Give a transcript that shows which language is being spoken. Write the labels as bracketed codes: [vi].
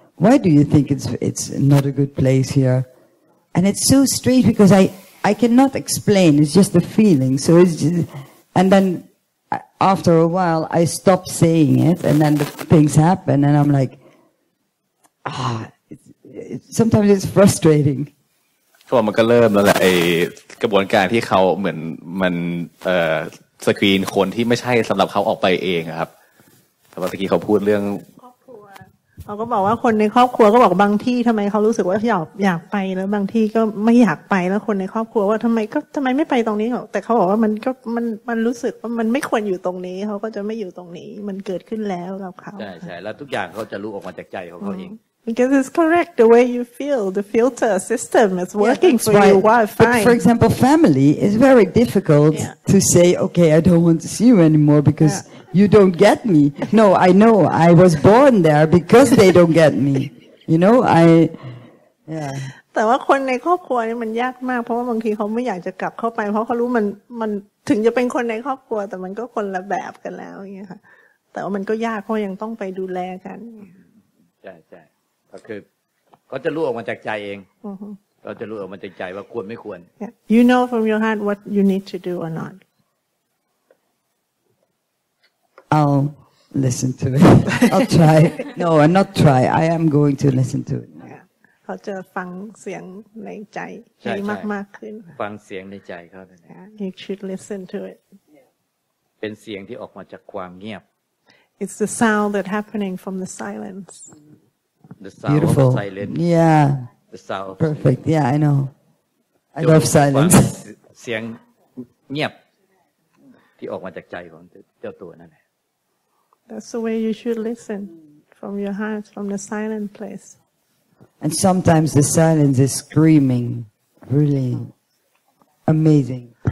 [en] Why do you think it's not a good place here? And it's so strange because I cannot explain, it's just a feeling. So it's just, and then after a while I stop saying it and then the things happen and I'm like, sometimes it's frustrating. [th] เขาก็เริ่มแล้วแหละไอ้กระบวนการที่เขาเหมือนมันสกรีนคนที่ไม่ใช่สำหรับเขาออกไปเองครับแต่เมื่อกี้เขาพูดเรื่อง ครอบครัวเขาก็บอกว่าคนในครอบครัวก็บอกบางที่ทำไมเขารู้สึกว่าอยากไปแล้วบางที่ก็ไม่อยากไปแล้วคนในครอบครัวว่าทำไมไม่ไปตรงนี้หรอกแต่เขาบอกว่ามันรู้สึกว่ามันไม่ควรอยู่ตรงนี้เขาก็จะไม่อยู่ตรงนี้มันเกิดขึ้นแล้วกับเขา ใช่แล้วทุกอย่างเขาจะรู้ออกมาจากใจของเขาเอง [en] Because it's correct the way you feel the filter system is working for you why fine But for example family is very difficult to say okay I don't want to see you anymore becauseYou don't get me. No, I know. I was born there because they don't get me. You know, I. Yeah. [th] แต่ว่าคนในครอบครัวนี่มันยากมากเพราะว่าบางทีเขาไม่อยากจะกลับเข้าไปเพราะเขารู้มันถึงจะเป็นคนในครอบครัวแต่มันก็คนละแบบกันแล้วอย่างเงี้ยค่ะแต่ว่ามันก็ยากเพราะยังต้องไปดูแลกัน ใช่ก็คือเขาจะรู้ออกมาจากใจเองเราจะรู้ออกมาจากใจว่าควรไม่ควร [en] You know from your heart what you need to do or not. I'll listen to it. I'll try. No, I'm not try. I am going to listen to it. [th] เขาจะฟังเสียงในใจที่มากๆขึ้น ฟังเสียงในใจเขา [en] เนี่ย You should listen to it. [th] เป็นเสียงที่ออกมาจากความเงียบ [en] It's the sound that happening from the silence. The sound of the silence. Yeah. The sound. Perfect. Yeah, I know. I love silence. [th] เสียงเงียบที่ออกมาจากใจของเจ้าตัวนั่นแหละ [en] That's the way you should listen from your heart, from the silent place. And sometimes the silence is screaming, really amazing.